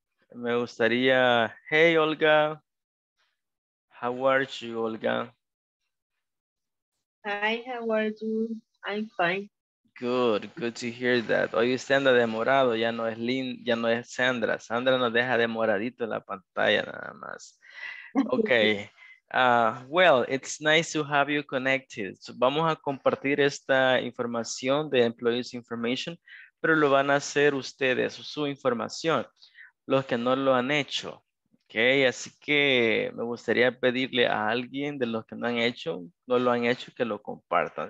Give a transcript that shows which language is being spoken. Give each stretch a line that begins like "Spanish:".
Spanish: Me gustaría,
English: hey Olga. How are you, Olga? Hi, how are you? I'm fine. Good, good to hear that.
Spanish: Hoy usted anda demorado, ya no es Lynn, ya no es Sandra. Sandra nos deja demoradito en la pantalla nada más.
English: Okay, well, it's nice to have you connected.
Spanish: So vamos a compartir esta información de Employees Information, pero lo van a hacer ustedes, su información, los que no lo han hecho. Okay, así que me gustaría pedirle a alguien de los que no lo han hecho, que lo compartan.